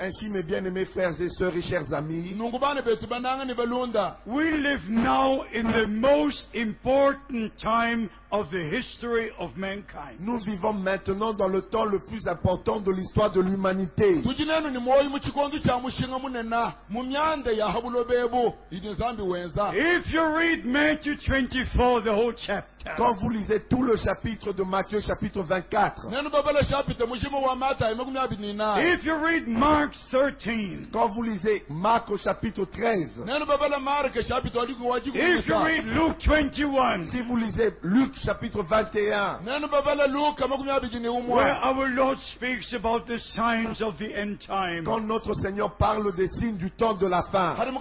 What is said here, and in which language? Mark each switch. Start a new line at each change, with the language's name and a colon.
French: ainsi mes bien-aimés frères et sœurs et chers amis,
English: we live now in the most important time of the history of mankind.
French: Nous vivons maintenant dans le temps le plus important de l'histoire de l'humanité.
English: If you read Matthew 24, the whole chapter,
French: quand vous lisez tout le chapitre de Matthieu, chapitre 24,
English: if you read Mark 13,
French: quand vous lisez Marc au chapitre 13,
English: if you read Luke 21,
French: si vous lisez Luc chapitre 21,
English: where our Lord speaks about the signs of the end time,
French: quand notre Seigneur parle des signes du temps de la fin,